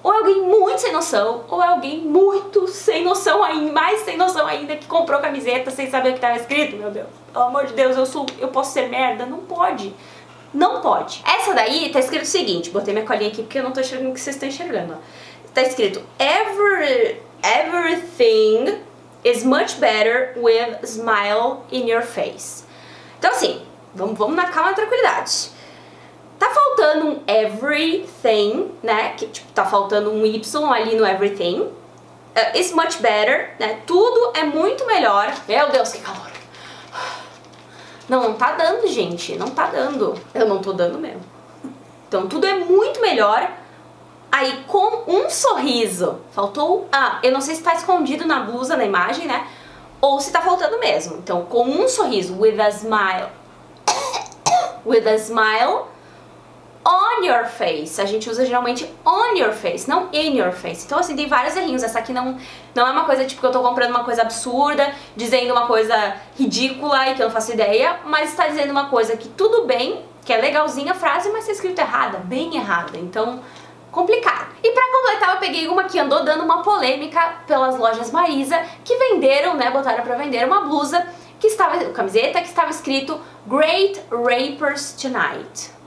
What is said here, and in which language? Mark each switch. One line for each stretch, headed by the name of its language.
Portuguese: Ou é alguém muito sem noção, ou é alguém muito sem noção ainda, mais sem noção ainda, que comprou camiseta sem saber o que estava escrito, meu Deus. Pelo amor de Deus, eu posso ser merda? Não pode. Não pode. Essa daí tá escrito o seguinte, botei minha colinha aqui porque eu não tô enxergando o que vocês estão enxergando. Tá escrito,
English: everything is much better with smile in your face.
Portuguese: Então assim, vamos na calma e tranquilidade. Tá faltando um everything, né? Que, tipo, tá faltando um Y ali no everything.
English: It's much better,
Portuguese: né? Tudo é muito melhor. Meu Deus, que calor. Não, não tá dando, gente. Não tá dando. Eu não tô dando mesmo. Então, tudo é muito melhor. Aí, com um sorriso. Faltou um A. Eu não sei se tá escondido na blusa, na imagem, né? Ou se tá faltando mesmo. Então, com um sorriso.
English: With a smile. With a smile on your face.
Portuguese: A gente usa geralmente
English: on your face,
Portuguese: não
English: in your face.
Portuguese: Então assim, tem vários errinhos. Essa aqui não é uma coisa tipo que eu tô comprando uma coisa absurda, dizendo uma coisa ridícula e que eu não faço ideia, mas tá dizendo uma coisa que tudo bem, que é legalzinha a frase, mas tá escrito errada, bem errada. Então, complicado. E pra completar, eu peguei uma que andou dando uma polêmica pelas lojas Marisa, que venderam, né, botaram pra vender uma blusa que estava, camiseta, que estava escrito
English: Great Rapers Tonight.